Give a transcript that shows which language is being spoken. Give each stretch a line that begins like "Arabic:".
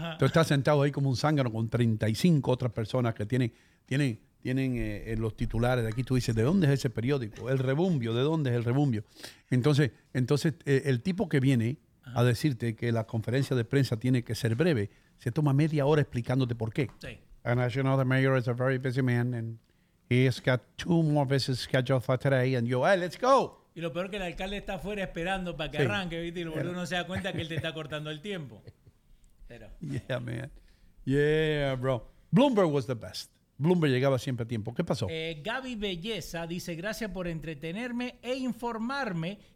Spanish: Tú estás sentado ahí como un zángano con 35 otras personas que tienen los titulares de aquí. Tú dices, ¿de dónde es ese periódico? El rebumbio, ¿de dónde es el rebumbio? Entonces el tipo que viene a decirte que la conferencia de prensa tiene que ser breve, se toma media hora explicándote por qué. Sí.
English: And as you know, the mayor is a very busy man, and he has got two more visits scheduled for today, and you, hey, let's go.
Spanish: Y lo peor que el alcalde está afuera esperando para que sí arranque, ¿viste? Y luego uno se da cuenta que él te está cortando el tiempo. Pero,
English: yeah, man. Yeah, bro. Bloomberg was the best.
Spanish: Bloomberg llegaba siempre a tiempo. ¿Qué pasó? Gaby Belleza dice, gracias por entretenerme e informarme.